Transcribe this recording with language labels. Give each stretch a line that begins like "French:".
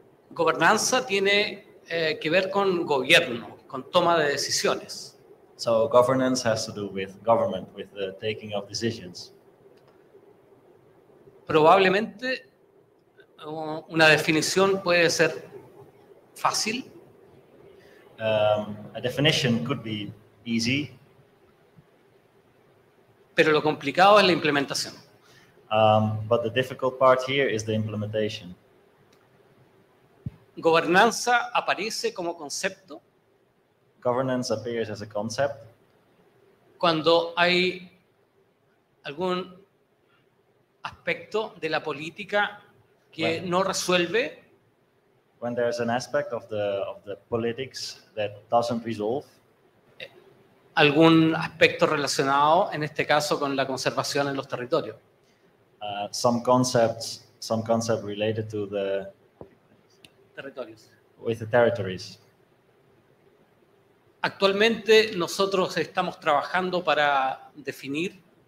Spanish: Gobernanza tiene que ver con gobierno, con toma de decisiones.
English: So governance has to do with government, with the taking of decisions.
Spanish: Probablemente una definición puede ser fácil.
English: A definition could be easy.
Spanish: Pero lo complicado es la implementación.
English: But the difficult part here is the implementation.
Spanish: Gobernanza aparece como concepto.
English: Governance appears as a concept.
Spanish: Cuando hay algún aspecto de la política que no resuelve.
English: When there is an aspect of the politics that doesn't resolve.
Spanish: Algún aspecto relacionado, en este caso, con la conservación en los territorios.
English: Some concept related to the territories. With the territories.
Spanish: Actualmente nosotros estamos trabajando para definir